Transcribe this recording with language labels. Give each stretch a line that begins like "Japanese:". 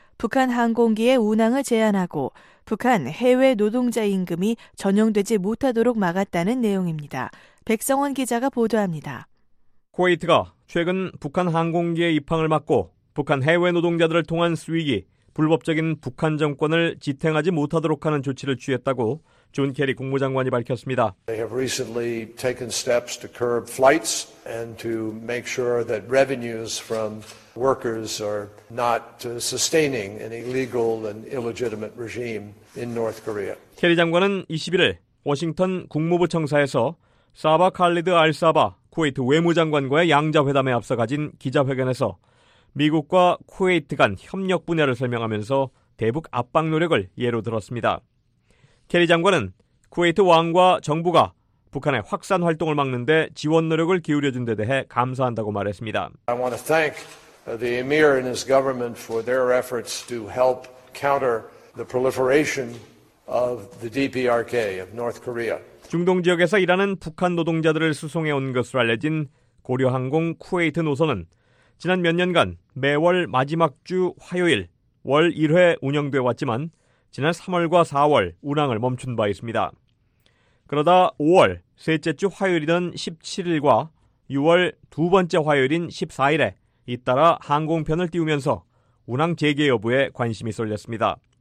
Korean: 북한 항공기의 운항을 제한하고 북한 해외 노동자 임금이 전용되지 못하도록 막았다는 내용입니다. 백성원 기자가 보도합니다. 쿠웨이트가 최근 북한 항공기의 입항을 막고 북한 해외 노동자들을 통한 수익이 불법적인 북한 정권을 지탱하지 못하도록 하는 조치를 취했다고 존 케리 국무장관이 밝혔습니다.
English: They have recently taken steps to curb flights and to make sure that revenues from workers are not sustaining an illegal and illegitimate regime in North Korea.
Korean: 케리 장관은 21일 워싱턴 국무부 청사에서 사바 칼리드 알사바 쿠웨이트 외무장관과의 양자회담에 앞서 가진 기자회견에서 미국과 쿠웨이트 간 협력 분야를 설명하면서 대북 압박 노력을 예로 들었습니다. 케리 장관은 쿠웨이트 왕과 정부가 북한의 확산 활동을 막는 데 지원 노력을 기울여준 데 대해 감사한다고 말했습니다.
English: I want to thank the emir and his government for their efforts to help counter the proliferation of the DPRK of North Korea.
Korean: 중동 지역에서 일하는 북한 노동자들을 수송해 온 것으로 알려진 고려항공 쿠웨이트 노선은 지난 몇 년간 매월 마지막 주 화요일 월 1회 운영되어 왔지만 지난 3월과 4월 운항을 멈춘 바 있습니다. 그러다 5월 셋째 주 화요일이던 17일과 6월 두 번째 화요일인 14일에 잇따라 항공편을 띄우면서 운항 재개 여부에 관심이 쏠렸습니다.